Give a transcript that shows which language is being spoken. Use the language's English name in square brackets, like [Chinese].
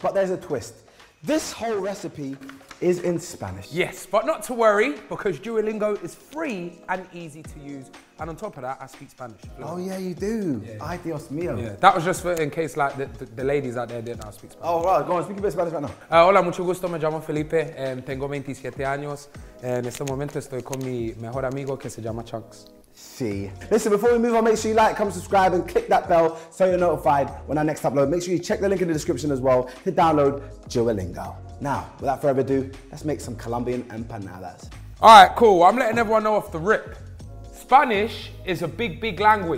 [English] But there's a twist. This whole recipe is in Spanish. Yes, but not to worry, because Duolingo is free and easy to use. And on top of that, I speak Spanish. Oh, yeah, you do. Yeah. [Spanish] Ay, Dios mío. [English] Yeah. That was just for in case like the ladies out there didn't know I speak Spanish. Oh, right, go on, speak a bit of Spanish right now. [Spanish] Hola, mucho gusto, me llamo Felipe, tengo 27 años. En este momento estoy con mi mejor amigo que se llama Chunkz. Sí. [English] Listen, before we move on, make sure you like, comment, subscribe, and click that bell so you're notified when I next upload. Make sure you check the link in the description as well to download Duolingo. Now, without further ado, let's make some Colombian empanadas. All right, cool. I'm letting everyone know off the rip. Spanish is a big, big language.